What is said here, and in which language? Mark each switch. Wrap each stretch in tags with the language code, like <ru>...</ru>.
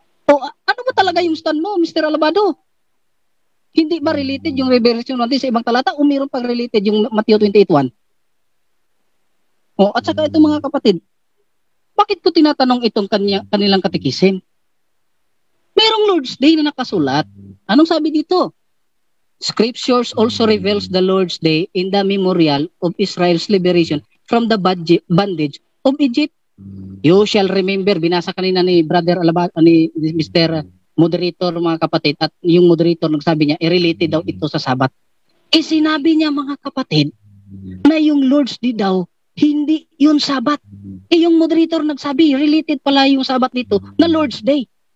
<tl>Oh, ano ba talaga 'yung stand mo, Mr. Alabado? Hindi ba related 'yung Revelation 1:10 sa ibang talata o mayroon pang related 'yung Mateo 28:1? Oh, at saka ito, mga kapatid, bakit ko tinatanong itong kanilang katikisin? Merong Lord's Day na nakasulat. Anong sabi dito?</tl> <en>Scriptures also reveals the Lord's Day in the memorial of Israel's liberation from the bondage of Egypt. You shall remember,</en> <tl>binasa kanina ni Brother Alabado, ni Mr. Moderator, mga kapatid, at yung moderator nagsabi niya, related daw ito sa Sabat. Eh sinabi niya, mga kapatid, na yung Lord's Day daw, hindi yun Sabat. Eh, yung moderator nagsabi, related pala yung Sabat dito na Lord's Day.</tl>